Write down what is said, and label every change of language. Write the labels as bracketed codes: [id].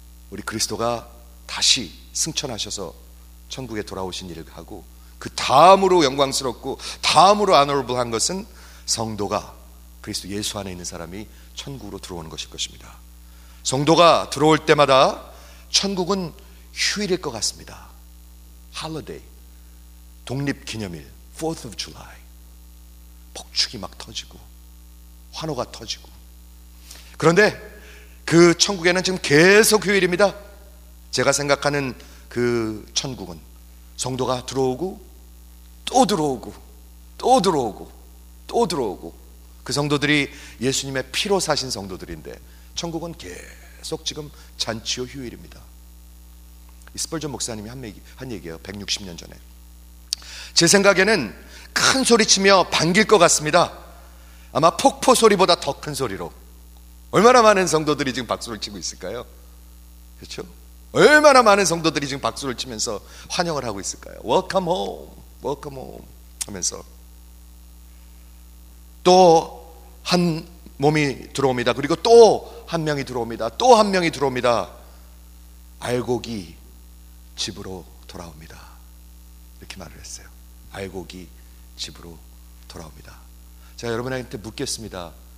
[ko] 우리 그리스도가 다시 승천하셔서 천국에 돌아오신 일을 하고 그 다음으로 영광스럽고 다음으로 honorable한 것은 성도가 그리스도 예수 안에 있는 사람이 천국으로 들어오는 것일 것입니다. 성도가 들어올 때마다 천국은 휴일일 것 같습니다. [en] Holiday, 독립기념일, 4th of July. [ko] 폭죽이 막 터지고 환호가 터지고. 그런데 그 천국에는 지금 계속 휴일입니다. 제가 생각하는 그 천국은 성도가 들어오고 또 들어오고 또 들어오고 또 들어오고 그 성도들이 예수님의 피로 사신 성도들인데 천국은 계속 지금 잔치요 휴일입니다. 스펄전 목사님이 한 얘기예요. 160년 전에. 제 생각에는 큰 소리치며 반길 것 같습니다. 아마 폭포 소리보다 더 큰 소리로. 얼마나 많은 성도들이 지금 박수를 치고 있을까요? 그렇죠? 얼마나 많은 성도들이 지금 박수를 치면서 환영을 하고 있을까요? [en] Welcome home, welcome home [ko] 하면서. 또 한 몸이 들어옵니다. 그리고 또 한 명이 들어옵니다. 또 한 명이 들어옵니다. 알곡이 집으로 돌아옵니다. 이렇게 말을 했어요. 알곡이 집으로 돌아옵니다. 제가 여러분한테 묻겠습니다.